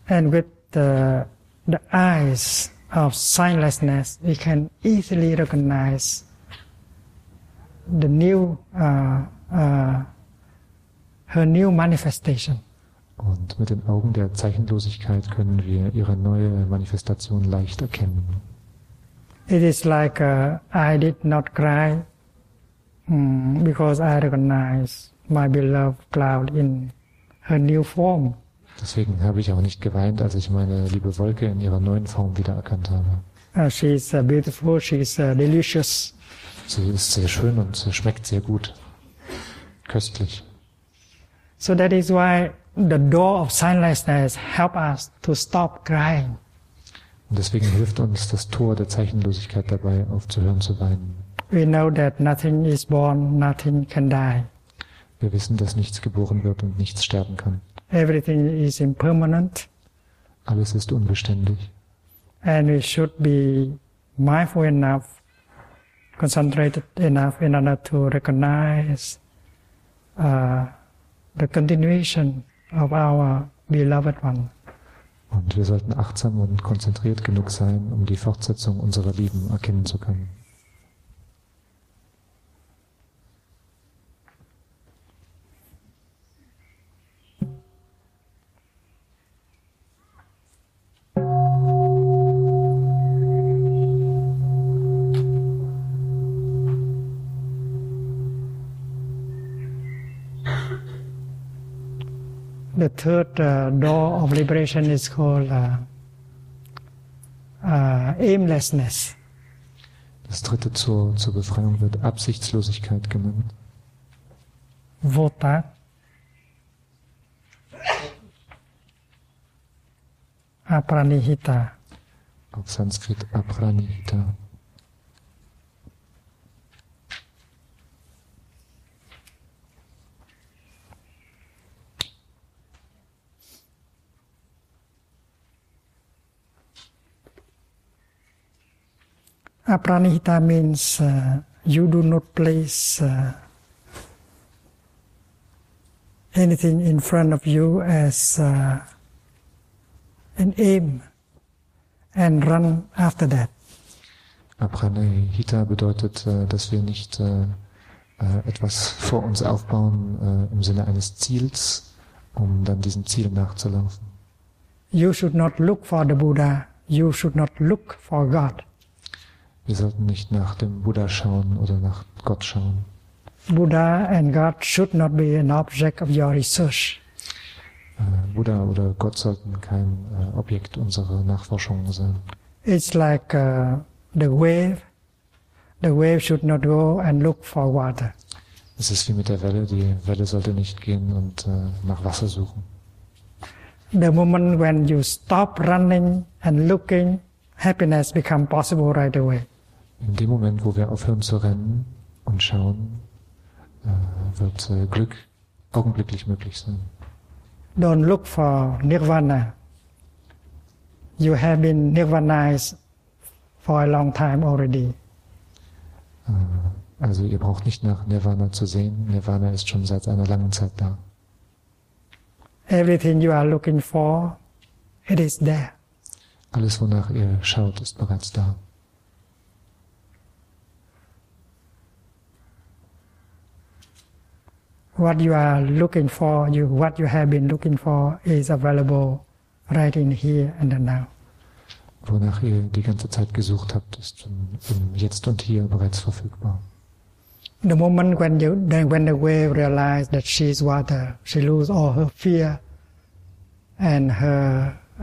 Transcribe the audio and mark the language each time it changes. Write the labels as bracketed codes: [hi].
[en] And with the eyes of signlessness, we can easily recognize the new her new manifestation. [de] Und mit den Augen der Zeichenlosigkeit können wir ihre neue Manifestation leicht erkennen. [en] It is like I did not cry because I recognize my beloved cloud in her new form. [de] Deswegen habe ich auch nicht geweint, als ich meine liebe Wolke in ihrer neuen Form wiedererkannt habe. [en] She is beautiful, she is delicious. [de] Sie ist sehr schön und sie schmeckt sehr gut. Köstlich. [en] So that is why the door of signlessness help us to stop crying. [de] Und deswegen hilft uns das Tor der Zeichenlosigkeit dabei, aufzuhören zu weinen. [en] We know that nothing is born, nothing can die. [de] Wir wissen, dass nichts geboren wird und nichts sterben kann. [en] Everything is impermanent. [de] Alles ist unbeständig. [en] And we should be mindful enough, concentrated enough in order to recognize the continuation of our beloved one. [de] Und wir sollten achtsam und konzentriert genug sein, um die Fortsetzung unserer Lieben erkennen zu können. [en] The third door of liberation is called aimlessness. [de] Das dritte Tor zur Befreiung wird Absichtslosigkeit genannt. Vota. [sa] Apranihita. [de] Auf Sanskrit Apranihita. [en] Apranihita means you do not place anything in front of you as an aim and run after that. [de] Apranihita bedeutet, dass wir nicht etwas vor uns aufbauen im Sinne eines Ziels, um dann diesem Ziel nachzulaufen. [en] You should not look for the Buddha. You should not look for God. [de] Wir sollten nicht nach dem Buddha schauen oder nach Gott schauen. [en] Buddha and God should not be an object of your research. [de] Buddha oder Gott sollten kein Objekt unserer Nachforschungen sein. [en] It's like the wave. The wave should not go and look for water. [de] Es ist wie mit der Welle. Die Welle sollte nicht gehen und nach Wasser suchen. [en] The moment when you stop running and looking, happiness becomes possible right away. [de] In dem Moment, wo wir aufhören zu rennen und schauen, wird Glück augenblicklich möglich sein. [en] Don't look for Nirvana. You have been Nirvanized for a long time already. [de] Also ihr braucht nicht nach Nirvana zu sehen. Nirvana ist schon seit einer langen Zeit da. [en] Everything you are looking for, it is there. [de] Alles, wonach ihr schaut, ist bereits da. [en] What you are looking for, what you have been looking for, is available right in here and now. [de] Wonach ihr die ganze Zeit gesucht habt, ist im Jetzt und Hier bereits verfügbar. [en] The moment when the wave realizes that she is water, she loses all her fear and her